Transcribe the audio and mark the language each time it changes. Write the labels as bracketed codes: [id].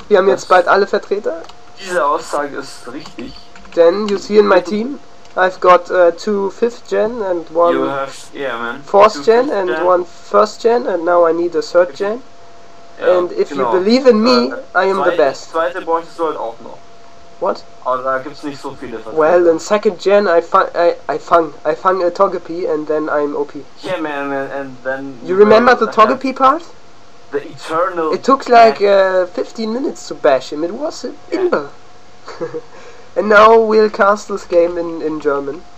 [de] Wir haben jetzt bald alle Vertreter. Diese Aussage ist richtig. [en] Denn, you see in my team, I've got two 5th gen and one 4th gen and one 1st gen and now I need a 3rd gen. [de] Ja, [en] and if [de] genau. [en] You believe in me, I am the best. [de] Zweite bräuchte es halt auch noch. [en] What? [de] Aber da gibt's nicht so viele Vertreter. [en] Well, in 2nd gen I fang a Togepi and then I'm OP. Yeah man, and then... You remember the Togepi part? The Eternal... It took like 15 minutes to bash him, it was an imba. And now we'll cast this game in German.